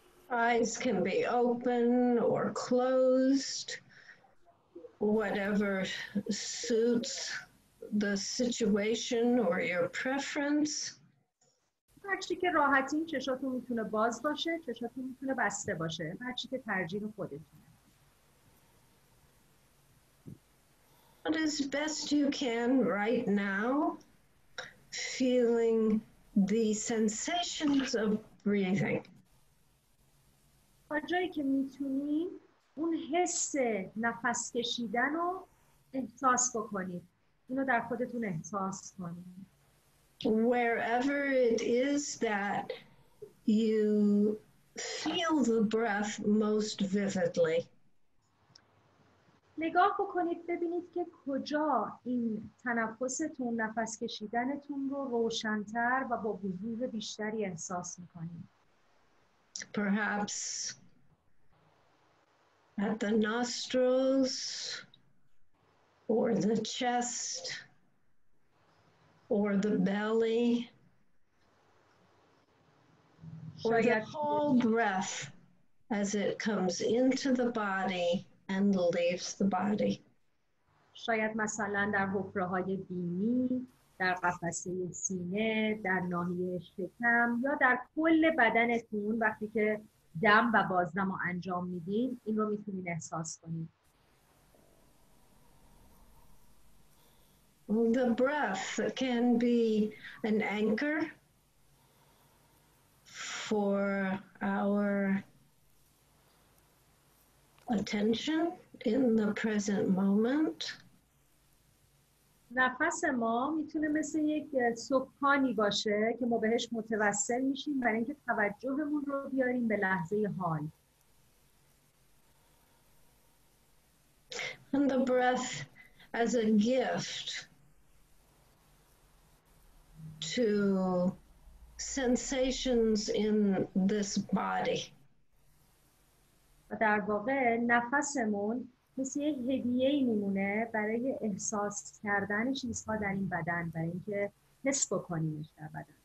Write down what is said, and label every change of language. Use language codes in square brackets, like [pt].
[en] Eyes can be open or closed, whatever suits the situation or your preference. [fa] هرچی که راحتین چشاتون میتونه باز باشه، چشاتون میتونه بسته باشه. هرچی که ترجیح خودتون. [en] But as best you can right now, feeling the sensations of breathing. [fa] تا جایی که میتونین اون حس نفس کشیدن رو احساس بکنید. اینو در خودتون احساس کنید. [en] Wherever it is that you feel the breath most vividly. [fa] نگاه بکنید ببینید که کجا این تنفستون نفس کشیدنتون رو روشن‌تر و با وضوح بیشتری احساس می‌کنید. [en] Perhaps at the nostrils or the chest or the belly or the whole breath as it comes into the body and leaves the body. [fa] شاید مثلا در حفره‌های بینی، در قفسه سینه، در ناحیه شکم یا در کل بدنتون وقتی که دم و بازدم رو انجام میدین این رو میتونین احساس کنین. [en] The breath can be an anchor for our attention in the present moment. [fa] نفس ما میتونه مثل یک سکانی باشه که ما بهش متوسل میشیم برای اینکه توجهمون رو بیاریم به لحظه حال. [en] And the breath as a gift to sensations in this body. [fa] و در واقع نفسمون مثل یه هدیه میمونه برای احساس کردن چیزها در این بدن، برای اینکه حس بکنیمش در بدن.